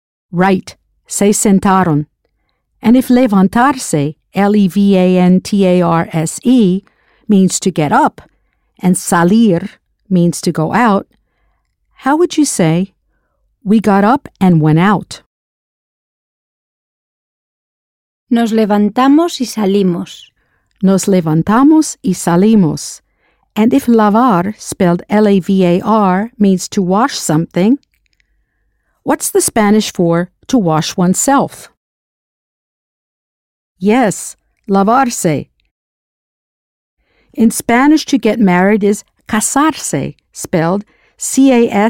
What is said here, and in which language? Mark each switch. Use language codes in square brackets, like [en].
[en] Right. [es] Se sentaron. [en] And if levantarse, levantarse, means to get up, and salir means to go out, how would you say, we got up and went out? [es] Nos levantamos y salimos. Nos levantamos y salimos. [en] And if lavar, spelled L-A-V-A-R, means to wash something, what's the Spanish for to wash oneself? Yes, lavarse. In Spanish, to get married is casarse, spelled C-A-S-A-R-S-E.